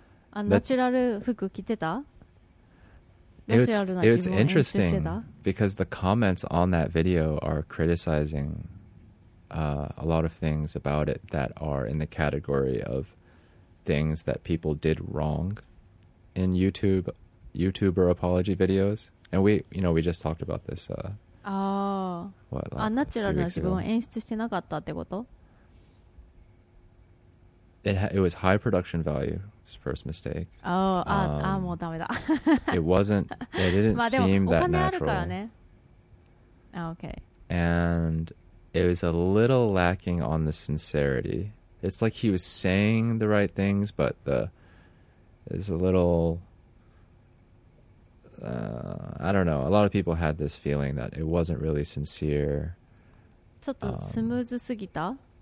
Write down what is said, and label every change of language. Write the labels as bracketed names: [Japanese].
[Japanese] あ、ナチュラル服着てた？ [English] It's interesting because the comments on that video are criticizing... a lot of things about it that are in the category of things that people did wrong in YouTuber apology videos. And we, you know, we just talked about this. [Japanese] Natural な自分を演出してなかったってこと? [English] it was high production value. First mistake. [Japanese] Oh, もうダメだ。 [English] It wasn't. It didn't seem that natural. [Japanese] まあでもお金あるからね。Okay. [English] And it was a little lacking on the sincerity. It's like he was saying the right things, but the it's a little. I don't know. A lot of people had this feeling that it wasn't really sincere. [Japanese] ちょっとスムーズすぎた?